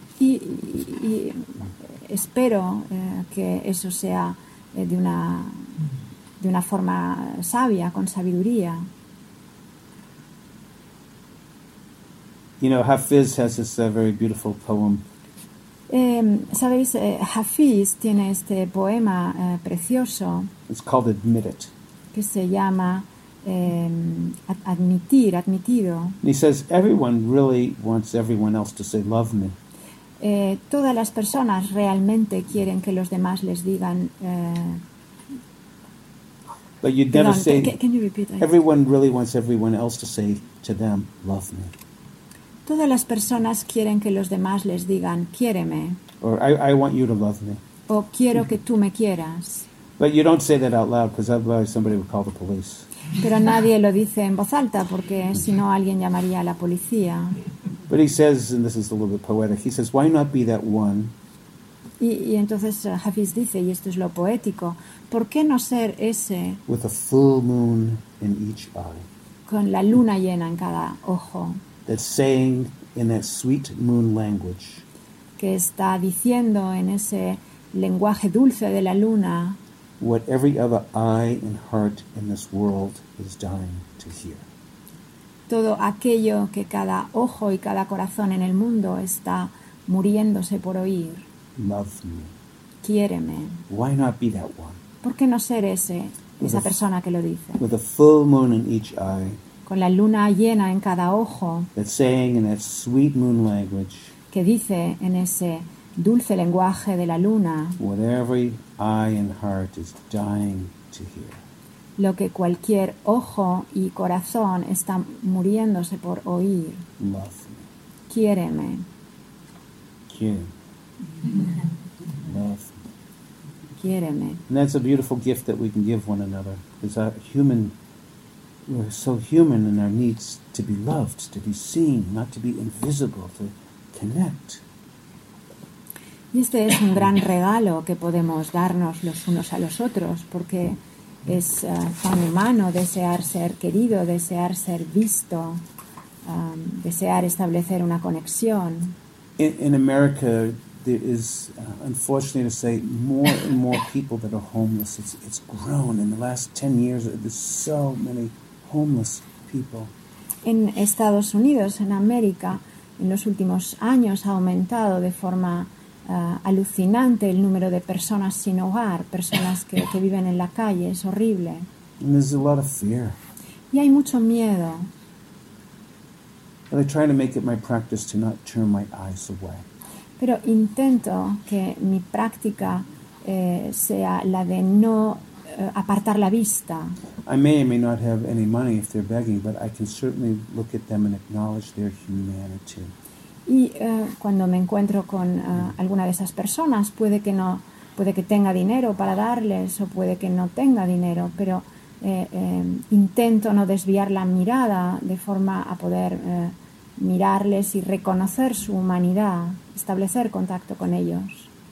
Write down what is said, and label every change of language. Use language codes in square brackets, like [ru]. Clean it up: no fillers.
[es] Y espero que eso sea de una forma sabia, con sabiduría. [en] You know, Hafiz has this very beautiful poem. [es] Sabéis, Hafiz tiene este poema precioso. [en] It's called Admit It. [es] Que se llama Admitir, Admitido. [en] And he says, everyone really wants everyone else to say, love me. [es] Todas las personas realmente quieren que los demás les digan... [en] But you'd never [es] perdón, [en] say... Can you repeat? Everyone really wants everyone else to say to them, love me. [es] Todas las personas quieren que los demás les digan, quiéreme. [en] Or I want you to love me. [es] O quiero que tú me quieras. [en] But you don't say that out loud, because otherwise somebody would call the police. [es] Pero nadie lo dice en voz alta, porque si no alguien llamaría a la policía. [en] But he says, and this is a little bit poetic, he says, why not be that one? [es] Y entonces Hafiz dice, y esto es lo poético, ¿por qué no ser ese? [en] With a full moon in each eye. [es] Con la luna llena en cada ojo. [en] That's saying in that sweet moon language. [es] Que está diciendo en ese lenguaje dulce de la luna. [en] What every other eye and heart in this world is dying to hear. [es] Todo aquello que cada ojo y cada corazón en el mundo está muriéndose por oír. [en] Love me. [es] Quiéreme. [en] Why not be that one? [es] ¿Por qué no ser ese, esa persona que lo dice? [en] With a full moon in each eye. [es] Con la luna llena en cada ojo. [en] That's saying in that sweet moon language. [es] Que dice en ese dulce lenguaje de la luna. [en] What every eye and heart is dying to hear. [es] Lo que cualquier ojo y corazón está muriéndose por oír. [en] Love me. [es] Quiéreme. Quiéreme. [en] Love me. [es] Quiéreme. [en] And that's a beautiful gift that we can give one another. It's a human. We're so human in our needs to be loved, to be seen, not to be invisible, to connect. [es] Y este es un gran regalo que podemos darnos los unos a los otros, porque es tan humano desear ser querido, desear ser visto, desear establecer una conexión. [en] In America, there is, unfortunately to say, more and more people that are homeless. It's grown. In the last 10 years, there's so many homeless people. [es] En Estados Unidos, en América, en los últimos años ha aumentado de forma alucinante el número de personas sin hogar, personas que viven en la calle. Es horrible. [en] And there's a lot of fear. [es] Y hay mucho miedo. [en] But I try to make it my practice to not turn my eyes away. [es] Pero intento que mi práctica sea la de no apartar la vista. [en] I may or may not have any money if they're begging, but I can certainly look at them and acknowledge their humanity. [es] Y cuando me encuentro con alguna de esas personas, puede que no, puede que tenga dinero para darles o puede que no tenga dinero, pero intento no desviar la mirada de forma a poder mirarles y reconocer su humanidad, establecer contacto con ellos.